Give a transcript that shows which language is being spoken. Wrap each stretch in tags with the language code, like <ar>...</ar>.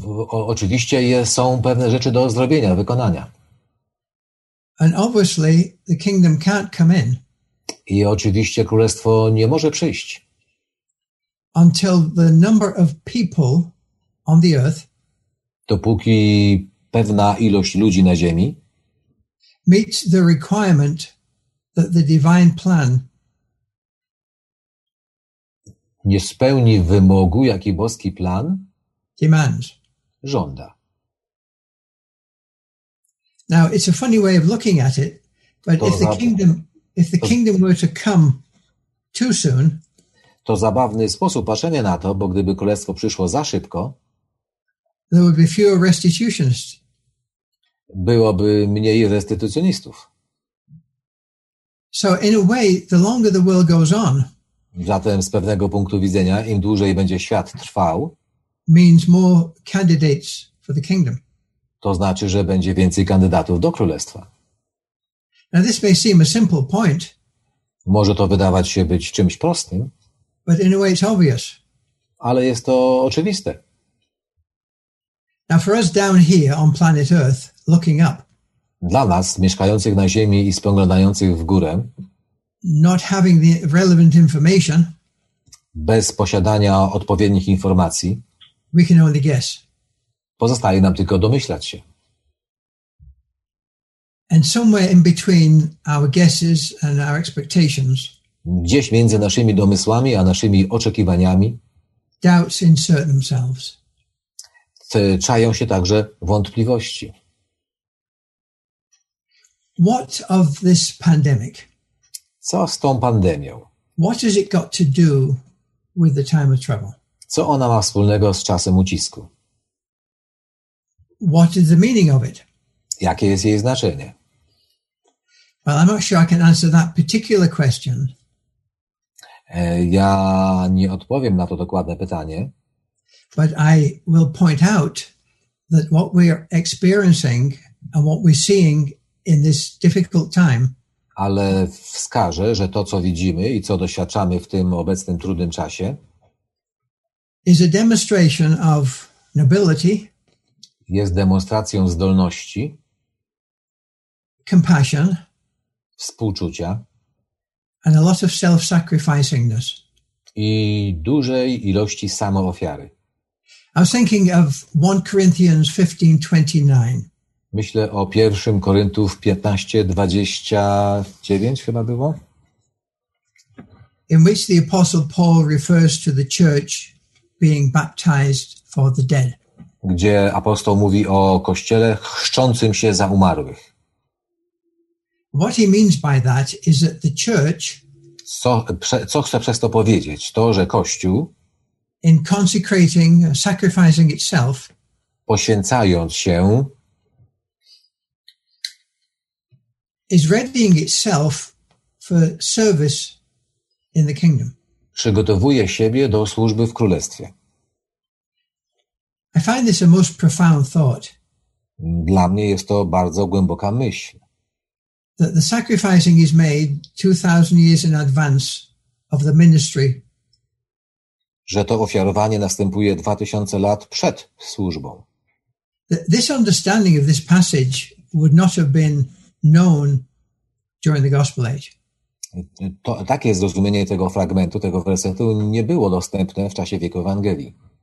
<pl>Oczywiście są pewne rzeczy do zrobienia, wykonania.</pl> <en>And obviously the kingdom can't come in.</en> <pl>I oczywiście królestwo nie może przyjść.</pl> <en>Until the number of people on the earth.</en> <pl>Dopóki pewna ilość ludzi na ziemi</pl> <en>meets the requirement that the divine plan</en> <pl>nie spełni wymogu, jaki boski plan</pl> <en>demands.</en> <pl>Żąda.</pl> <en>Now it's a funny way of looking at it, but if the kingdom were to come too soon,</en> <pl>to zabawny sposób patrzenia na to, bo gdyby królestwo przyszło za szybko,</pl> <en>there would be fewer restitutionists.</en> <pl>Byłoby mniej restytucjonistów.</pl> <en>So in a way, the longer the world goes on,</en> <pl>zatem z pewnego punktu widzenia, im dłużej będzie świat trwał,</pl> <en>means more candidates for the kingdom.</en> <pl>To znaczy, że będzie więcej kandydatów do królestwa.</pl> <en>Now this may seem a simple point.</en> <pl>Może to wydawać się być czymś prostym.</pl> <en>But in a way it's obvious.</en> <pl>Ale jest to oczywiste.</pl> <en>Now for us down here on planet Earth, looking up.</en> <pl>Dla nas, mieszkających na Ziemi i spoglądających w górę.</pl> <en>Not having the relevant information.</en> <pl>Bez posiadania odpowiednich informacji.</pl> <en>We can only guess.</en> <pl>Pozostaje nam tylko domyślać się.</pl> <en>And somewhere in between our guesses and our expectations.</en> <pl>Gdzieś między naszymi domysłami a naszymi oczekiwaniami.</pl> <en>Doubts insert themselves.</en> <pl>Czają się także wątpliwości.</pl> <en>What of this pandemic?</en> <pl>Co z tą pandemią?</pl> <en>What has it got to do with the time of trouble?</en> <pl>Co ona ma wspólnego z czasem ucisku?</pl> <en>What is the meaning of it?</en> <pl>Jakie jest jej znaczenie?</pl> <en>Well, I'm not sure I can answer that particular question.</en> <pl>Ja nie odpowiem na to dokładne pytanie.</pl> <en>But I will point out that what we are experiencing and what we're seeing in this difficult time.</en> <pl>Ale wskażę, że to, co widzimy i co doświadczamy w tym obecnym trudnym czasie,</pl> <en>is a demonstration of nobility.</en> <pl>Jest demonstracją zdolności.</pl> <en>Compassion.</en> <pl>Współczucia.</pl> <en>And a lot of self-sacrificingness.</en> <pl>I dużej ilości samoofiary.</pl> <en>I was thinking of 1 Corinthians 15:29.</en> <pl>Myślę o 1 Koryntów 15:29 chyba było.</pl> <en>In which the apostle Paul refers to the church being baptized for the dead.</en> <pl>Gdzie apostoł mówi o kościele chrzczącym się za umarłych.</pl> <en>What he means by that is that the church,</en> <pl>co chce przez to powiedzieć? To, że Kościół,</pl> <en>in consecrating, sacrificing itself,</en> <pl>poświęcając się,</pl> <en>is readying itself for service in the kingdom.</en> <pl>Przygotowuje siebie do służby w królestwie.</pl> <en>I find this a most profound thought.</en> <pl>Dla mnie jest to bardzo głęboka myśl.</pl> <en>That the sacrificing is made 2,000 years in advance of the ministry.</en> <pl>Że to ofiarowanie następuje 2000 lat przed służbą.</pl> <en>This understanding of this passage would not have been known during the Gospel Age.</en> <pl>To, takie zrozumienie tego fragmentu, tego wersetu nie było dostępne w czasie wieku Ewangelii.</pl>